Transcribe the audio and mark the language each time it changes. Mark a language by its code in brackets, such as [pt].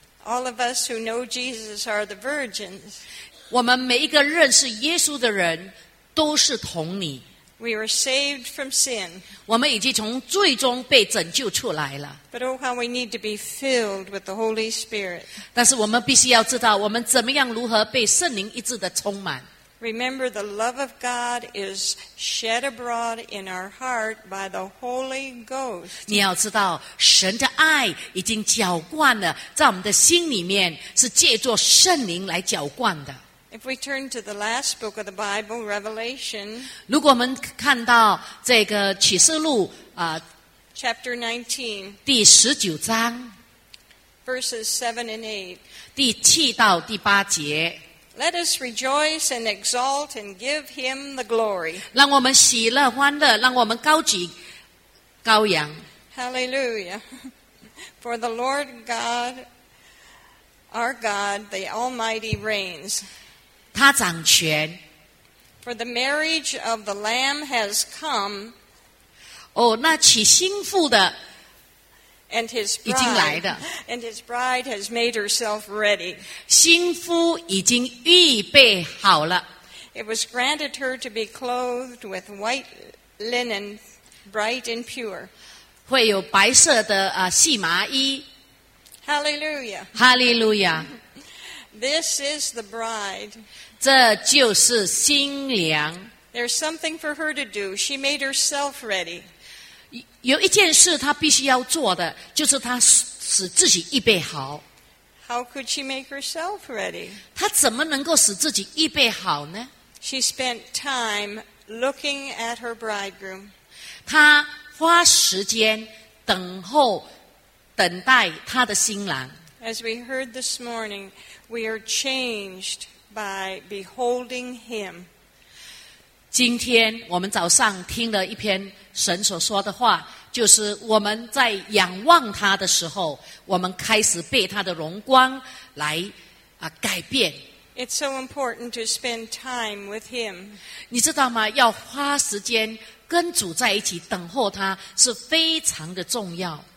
[en] All of us who know Jesus are the virgins. [zh] 我们每一个认识耶稣的人都是童女。 [en] We were saved from sin. [zh] 我们已经从罪中被拯救出来了。 [en] But oh how we need to be filled with the Holy Spirit. [zh] 但是我们必须要知道我们怎么样如何被圣灵一致的充满。 [en] Remember the love of God is shed abroad in our heart by the Holy Ghost. [zh] 你要知道神的爱已经浇灌了在我们的心里面是借着圣灵来浇灌的。 [en] If we turn to the last book of the Bible, Revelation. [zh] 如果我们看到这个启示录 [en] Chapter 19. [zh] 第十九章。 [en] Verses 7 and 8. [zh] 第七到第八节。 [en] Let us rejoice and exalt and give him the glory. [zh] 让我们喜乐欢乐，让我们高举羔羊。 [en] Hallelujah. For the Lord God, our God, the Almighty reigns. [zh] 他掌权。 [en] For the marriage of the Lamb has come. [zh] 哦，那娶新妇的。 [en] And his bride, [zh] 已经来的 [en] and his bride has made herself ready. [zh] 新夫已经预备好了 [en] It was granted her to be clothed with white linen, bright and pure. [zh] 会有白色的细麻衣 [en] Hallelujah. [zh] Hallelujah. [en] This is the bride. [zh] 这就是新娘 [en] There's something for her to do. She made herself ready. [zh] 有一件事他必须要做的就是他使自己预备好 [en] How could she make herself ready? [zh] 他怎么能够使自己预备好呢 [en] She spent time looking at her bridegroom [zh] 他花时间等候等待他的新郎 [en] As we heard this morning we are changed by beholding him [zh] 今天我们早上听了一篇神所说的话就是我们在仰望他的时候我们开始被他的荣光来改变 [en] It's so important to spend time with him. [zh] 你知道吗？要花时间跟主在一起等候他是非常的重要。